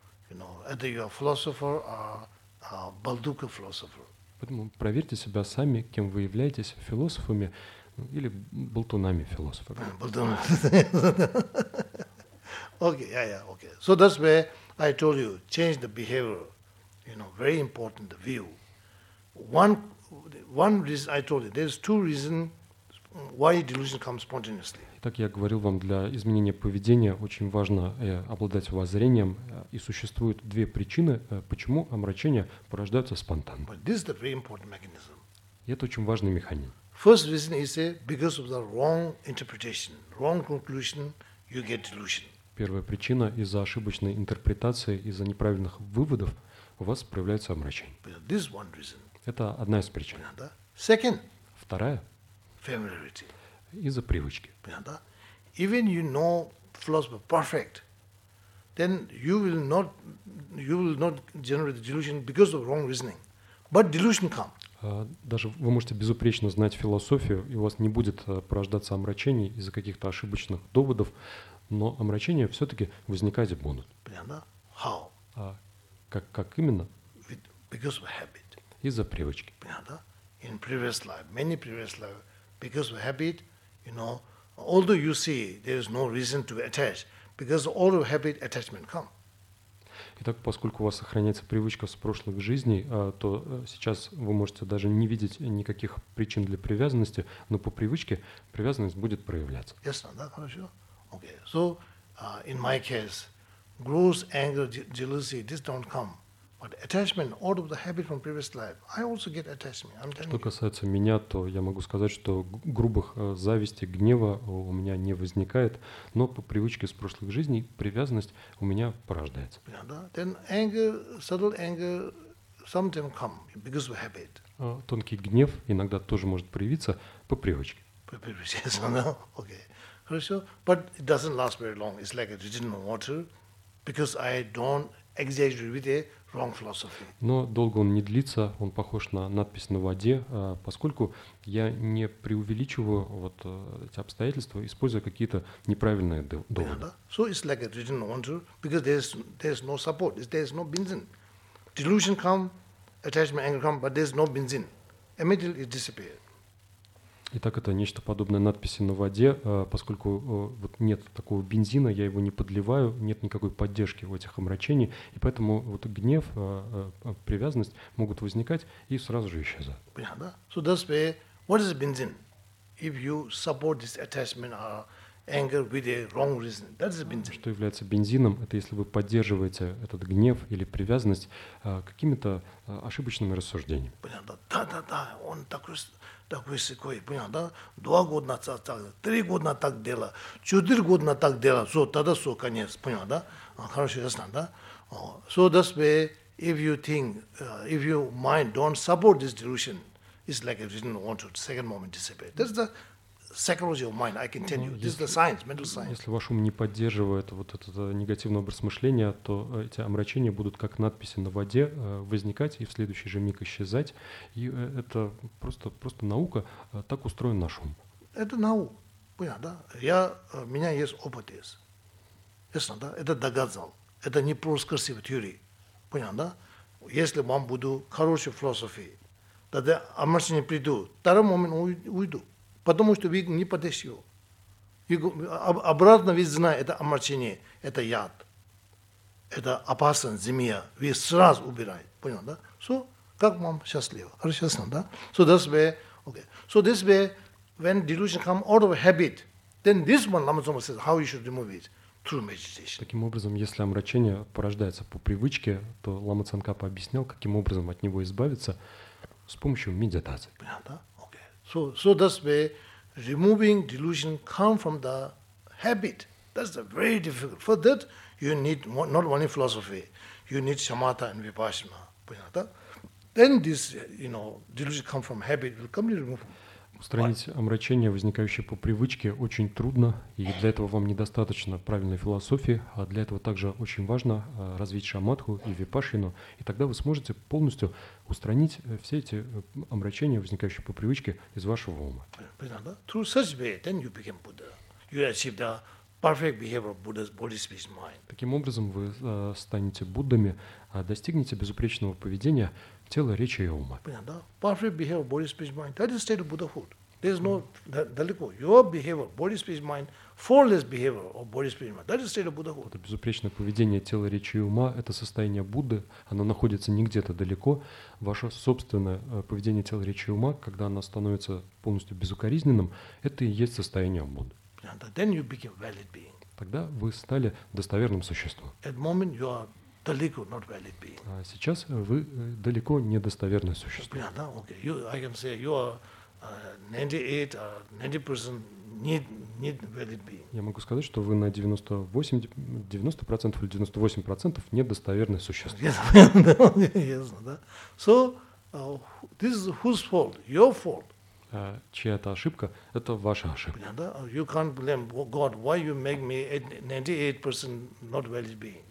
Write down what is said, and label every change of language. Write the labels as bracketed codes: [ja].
[en] You know, either you are philosopher or a Balduka philosopher. [ru] Поэтому проверьте себя сами, кем вы являетесь, философами или болтунами философами. Болтунами. [en] Okay, yeah, okay. So that's where I told you, change the behavior. You know, very important, the view. One reason I told you, there's two reasons Why delusion comes spontaneously? [ru] Так я говорил вам, для изменения поведения очень важно обладать воззрением, и существуют две причины, почему омрачения порождаются спонтанно. [en] But this is the very important mechanism. [ru] И это очень важный механизм. [en] First reason is because of the wrong interpretation, wrong conclusion, you get delusion. [ru] Первая причина — из-за ошибочной интерпретации, из-за неправильных выводов у вас проявляется омрачение. [en] But this is one reason. [ru] Это одна из причин. [en] Another. Second. [ru] Вторая. [en] Familiarity. [ru] Из-за привычки. Понятно? [en] Even you know philosophy perfect, then you will not generate the delusion because of wrong reasoning. But delusion come. [ru] Даже вы можете безупречно знать философию, и у вас не будет порождаться омрачений из-за каких-то ошибочных доводов, но омрачения все-таки возникать и будут. Понятно? [en] How? [ru] Как именно? [en] Because of habit. [ru] Из-за привычки. Понятно? [en] In previous life, many previous life. Because of habit, you know, although you see there is no reason to attach, because all of habit attachment come. [ru] Итак, поскольку у вас сохраняется привычка с прошлых жизней, то сейчас вы можете даже не видеть никаких причин для привязанности, но по привычке привязанность будет проявляться. Ясно, да, хорошо. Okay. [en] So, in my case, gross anger, jealousy, this don't come. But attachment out of the habit from previous life, I also get attachment. I'm telling [ru] you. Что касается меня, то я могу сказать, что грубых зависти, гнева у меня не возникает, но по привычке с прошлых жизней привязанность у меня порождается. [en] Yeah, then anger, subtle anger, sometimes come because of habit. [ru] Тонкий гнев иногда тоже может проявиться по привычке. По привычке, да? [en] Okay. [ru] Хорошо. [en] But it doesn't last very long. It's like a drinking water, because I don't exaggerate with it. Wrong philosophy. [ru] Но долго он не длится, он похож на надпись на воде, поскольку я не преувеличиваю вот эти обстоятельства, используя какие-то неправильные доводы. [en] So it's like a drinking water, because there's no support, there's no benzene. Delusion come, attachment, anger come, but there's no benzene. Immediately it disappears. [ru] Итак, это нечто подобное надписи на воде, поскольку вот нет такого бензина, я его не подливаю, нет никакой поддержки в этих омрачений, и поэтому вот гнев, привязанность могут возникать и сразу же исчезать. Понятно? [en] So that's why, what is benzene? If you support this attachment or anger with a wrong reason, that is benzene. [ru] Что является бензином? Это если вы поддерживаете этот гнев или привязанность какими-то ошибочными рассуждениями. Понятно? Да-да-да, он такой сикой, понял, да? 2 года назад так, 3 года назад так дело, 4 года назад так дело, все, тогда все, конец, понял, да? Хорошо, ясно, да? [en] So that's why, if you think, if your mind don't support this delusion, it's like a reason want to second moment disappear. That's the psychology of mind, I can tell you. This is the science, mental science. [ru] Если ваш ум не поддерживает вот этот негативный образ мышления, то эти омрачения будут как надписи на воде возникать и в следующий же миг исчезать. И это просто наука, так устроен наш ум. Это наука, понятно, да? У меня есть опыт, ясно, да? Это доказал. Это не просто красивая теория, понятно, да? Если вам буду хорошей философией, тогда омрачение приду, второй момент уйду. Потому что вы не подошли. Обратно вы знаете, это омрачение, это яд, это опасность, змея. Вы сразу убираете. Понял, да? So, как вам счастливо? Хорошо, ясно, да? [en] So, this way, okay. So, this way, when delusion comes out of habit, then this one, Lama Tsongkhapa says, how you should remove it? Through meditation. [ru] Таким образом, если омрачение порождается по привычке, то Лама Цанкапа объяснял, каким образом от него избавиться с помощью медитации. Понял, да? [en] So that's why removing delusion comes from the habit. That's the very difficult. For that, you need not only philosophy, you need samatha and vipassana. [ru] Понятно? [en] Then this, you know, delusion comes from habit, will completely remove. [ru] Устранить омрачение, возникающее по привычке, очень трудно, и для этого вам недостаточно правильной философии, а для этого также очень важно развить шамадху и випашину, и тогда вы сможете полностью устранить все эти омрачения, возникающие по привычке, из вашего ума. [en] Through such way, then you become Buddha. You achieve the perfect behavior of Buddha's body, speech, mind. [ru] Таким образом, вы станете Буддами, достигнете безупречного поведения тела, речи и ума. Понятно, да? [en] Perfect behavior, body, speech, mind. That is the state of Buddhahood. There's no [ru] далеко. [en] Your behavior, body, speech, mind, faultless behavior of body, speech, mind. That is state of Buddhahood. [ru] Это безупречное поведение тела, речи и ума. Это состояние Будды. Оно находится не где-то далеко. Ваше собственное поведение тела, речи и ума, когда оно становится полностью безукоризненным, это и есть состояние Будды. [en] And then you become valid being. [ru] Тогда вы стали достоверным существом. [en] At the moment you are [ru] далеко, [en] not valid being. [ru] А сейчас вы далеко недостоверное существо. Понятно, окей. [en] Okay. I can say you are 98% need valid being. [ru] Я могу сказать, что вы на 90% или 98% недостоверное существо. Ясно, да? [en] So, this is whose fault? Your fault. [ru] Чья-то ошибка? Это ваша ошибка. Понятно, да? [en] You can't blame God. Why you make me 98% not valid being?